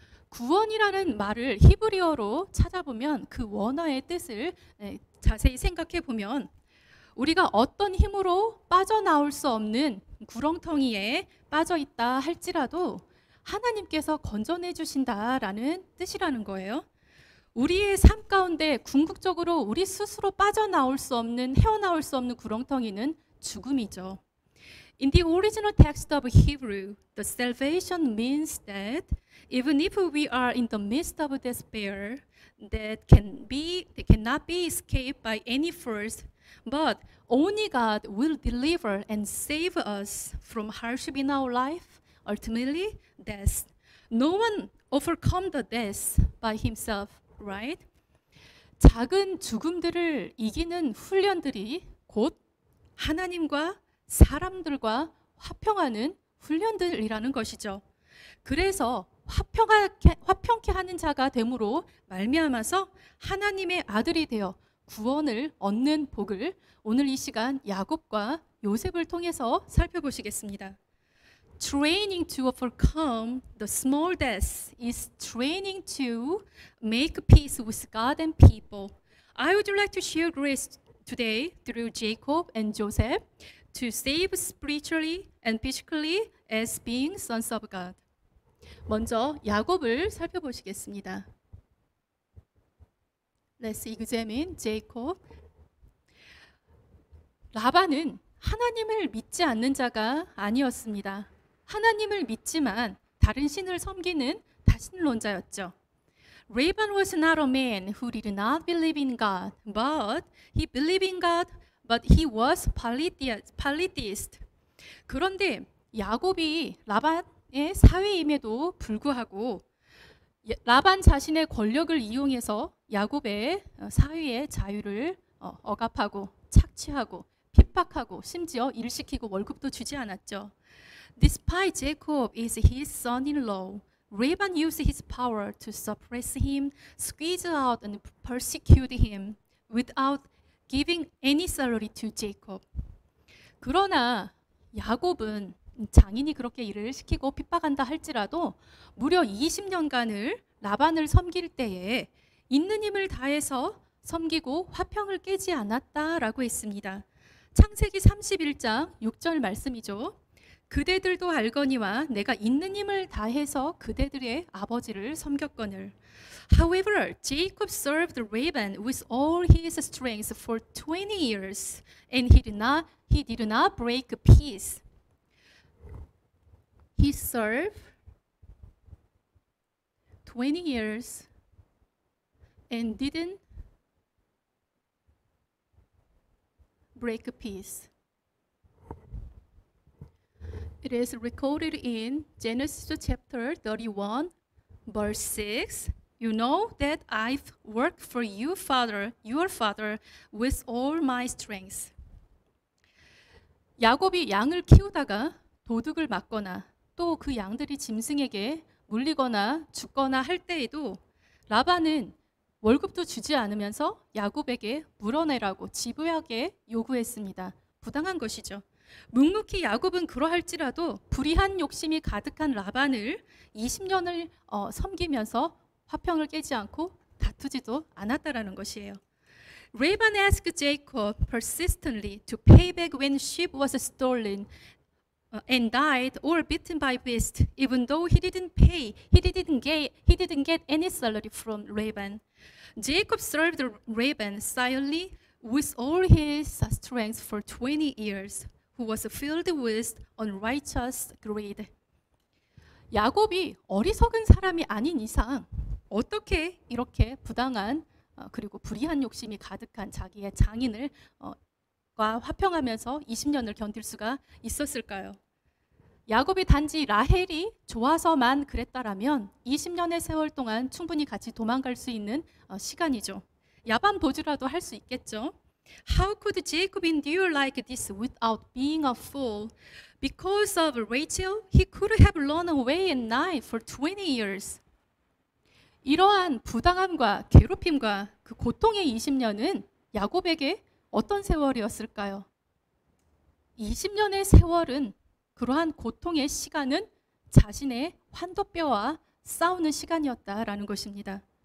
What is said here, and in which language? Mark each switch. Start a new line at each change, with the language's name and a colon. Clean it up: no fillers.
Korean: 구원이라는 말을 히브리어로 찾아보면 그 원어의 뜻을 자세히 생각해 보면 우리가 어떤 힘으로 빠져나올 수 없는 구렁텅이에 빠져 있다 할지라도 하나님께서 건져내 주신다라는 뜻이라는 거예요. 우리의 삶 가운데 궁극적으로 우리 스스로 빠져나올 수 없는 헤어나올 수 없는 구렁텅이는 죽음이죠.
English: In the original text of Hebrew, the salvation means that even if we are in the midst of despair, that cannot be escaped by any force, but only God will deliver and save us from hardship in our life, ultimately death. No one overcomes the death by himself, right?
Korean: 작은 죽음들을 이기는 훈련들이 곧 하나님과 사람들과 화평하는 훈련들이라는 것이죠. 그래서 화평케 하는 자가 되므로 말미암아서 하나님의 아들이 되어 구원을 얻는 복을 오늘 이 시간 야곱과 요셉을 통해서 살펴보시겠습니다.
English: Training to overcome the small deaths is training to make peace with God and people. I would like to share grace today through Jacob and Joseph to save spiritually and physically as being sons of God.
Korean: 먼저 야곱을 살펴보시겠습니다.
English: Let's examine Jacob.
Korean: 라반은 하나님을 믿지 않는 자가 아니었습니다. 하나님을 믿지만 다른 신을 섬기는 다신론자였죠.
English: Laban was not a man who did not believe in God, but he believed in God, but he was polytheist.
Korean: 그런데 야곱이 라반 예, 사위임에도 불구하고 라반 자신의 권력을 이용해서 야곱의 사위의 자유를 억압하고 착취하고 핍박하고 심지어 일시키고 월급도 주지 않았죠.
English: Despite Jacob is his son-in-law, Laban used his power to suppress him, squeeze out and persecute him without giving any salary to Jacob.
Korean: 그러나 야곱은 장인이 그렇게 일을 시키고 핍박한다 할지라도 무려 20년간을 라반을 섬길 때에 있는 힘을 다해서 섬기고 화평을 깨지 않았다라고 했습니다. 창세기 31장 6절 말씀이죠. 그대들도 알거니와 내가 있는 힘을 다해서 그대들의 아버지를 섬겼거늘.
English: However, Jacob served Laban with all his strength for 20 years and he did not break peace. He served 20 years and didn't break peace. It is recorded in Genesis chapter 31, verse 6. You know that I've worked for you, Father, your father, with all my strength.
Korean: 야곱이 양을 키우다가 도둑을 맞거나 또 그 양들이 짐승에게 물리거나 죽거나 할 때에도 라반은 월급도 주지 않으면서 야곱에게 물어내라고 지부하게 요구했습니다. 부당한 것이죠. 묵묵히 야곱은 그러할지라도 불의한 욕심이 가득한 라반을 20년을 섬기면서 화평을 깨지 않고 다투지도 않았다라는 것이에요.
English: Laban asked Jacob persistently to pay back when sheep was stolen and died or bitten by beast, even though he didn't pay, he didn't get any salary from Laban. Jacob served Laban silently with all his strength for 20 years, who was filled with unrighteous greed.
Korean: 야곱이 어리석은 사람이 아닌 이상 어떻게 이렇게 부당한 그리고 불의한 욕심이 가득한 자기의 장인과 화평하면서 20년을 견딜 수가 있었을까요? 야곱이 단지 라헬이 좋아서만 그랬다라면 20년의 세월 동안 충분히 같이 도망갈 수 있는 시간이죠. 야밤 보주라도 할 수 있겠죠.
English: How could Jacob endure like this without being a fool? Because of Rachel, he could have run away at night for 20 years.
Korean: 이러한 부당함과 괴롭힘과 그 고통의 20년은 야곱에게 어떤 세월이었을까요? 20년의 세월은 그러한 고통의 시간은 자신의 환도뼈와 싸우는 시간이었다라는 것입니다.